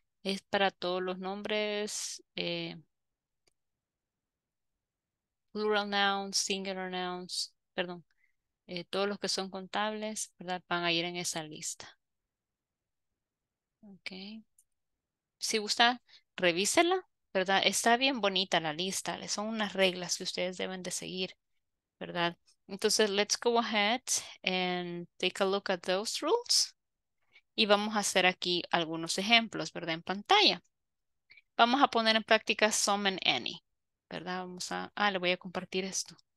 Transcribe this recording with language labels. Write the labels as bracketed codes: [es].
[es] Es para todos los nombres, plural nouns, singular nouns, perdón. Todos los que son contables, ¿verdad? Van a ir en esa lista. Ok. Si gusta, revísela, ¿verdad? Está bien bonita la lista. Son unas reglas que ustedes deben de seguir, ¿verdad? Entonces, [en] let's go ahead and take a look at those rules. [es] Y vamos a hacer aquí algunos ejemplos, ¿verdad? En pantalla. Vamos a poner en práctica some and any, ¿verdad? Vamos a... Ah, le voy a compartir esto.